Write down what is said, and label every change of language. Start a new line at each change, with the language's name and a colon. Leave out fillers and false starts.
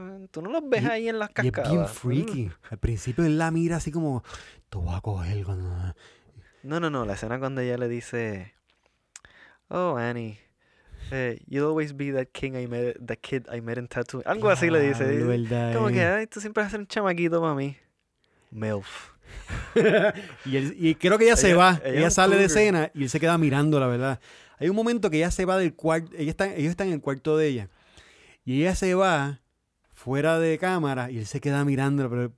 Spanish: Tú no los ves ahí en las cascadas. Y es bien freaky. Al principio él la mira así como, te voy a coger cuando... No, la escena cuando ella le dice, oh, Annie...
English: you'll always be that king I met, that kid I met in Tatooine.
Spanish: Algo así le dice. De verdad. Como que, ay, tú siempre vas a ser un chamaquito para mí.
English: MILF.
Spanish: y creo que ella se va. Ella sale de escena y él se queda mirando, la verdad. Hay un momento que ella se va del cuarto. Ellos están en el cuarto de ella. Y ella se va fuera de cámara y él se queda mirándola.